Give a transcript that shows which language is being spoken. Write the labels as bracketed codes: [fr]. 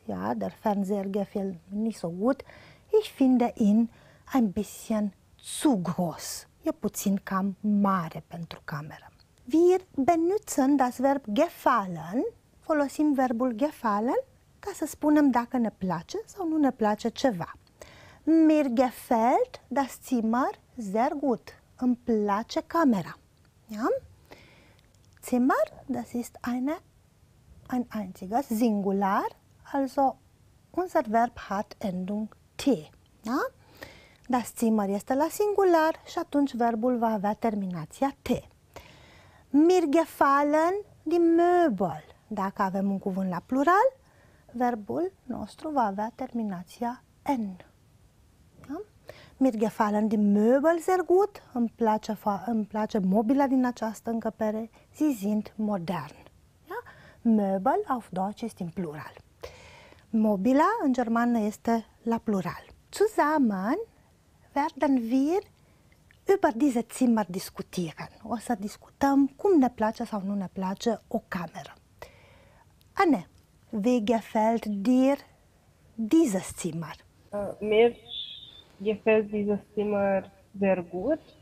[de] Ja, der Fernseher gefällt mir nicht so gut. Ich finde ihn ein bisschen zu groß. [ro] E puțin cam mare pentru cameră. [de] Wir benutzen das Verb gefallen. [ro] Folosim verbul gefallen, ca să spunem dacă ne place sau nu ne place ceva. [de] Mir gefällt das Zimmer sehr gut. [ro] Îmi place camera. [de] Ja? Zimmer, das ist ein einziges Singular, also unser Verb hat Endung T. Ja? [ro] Das Zimmer este la singular și atunci verbul va avea terminația T. [de] Mir gefallen die Möbel. [ro] Dacă avem un cuvânt la plural, verbul nostru va avea terminația N. [de] Ja? Mir gefallen die Möbel sehr gut. [ro] Îmi place mobila din această încăpere. [de] Sie sind modern. Ja? Möbel auf Deutsch ist im Plural. [ro] Mobila în germană este la plural. [de] Zusammen werden wir über diese Zimmer diskutieren. [ro] O să discutăm cum ne place sau nu ne place o cameră. [de] Anne, wie gefällt dir dieses Zimmer? Mir gefällt dieses Zimmer sehr gut.